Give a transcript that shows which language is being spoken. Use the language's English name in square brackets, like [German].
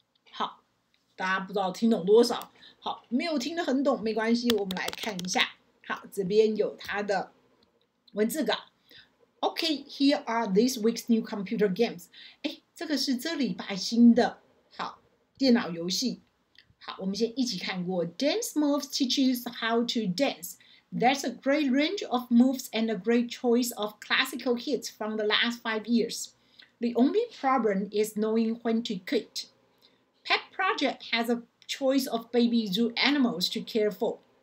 [Chinese] 好，大家不知道听懂多少。好，没有听得很懂没关系，我们来看一下。好，这边有它的文字稿。 [English] Okay, here are this week's new computer games. [Chinese] 哎，这个是这礼拜新的好电脑游戏。好，我们先一起看过。 [English] Dance moves teaches how to dance. There's a great range of moves and a great choice of classical hits from the last 5 years. The only problem is knowing when to quit. Pet Project has a choice of baby zoo animals to care for.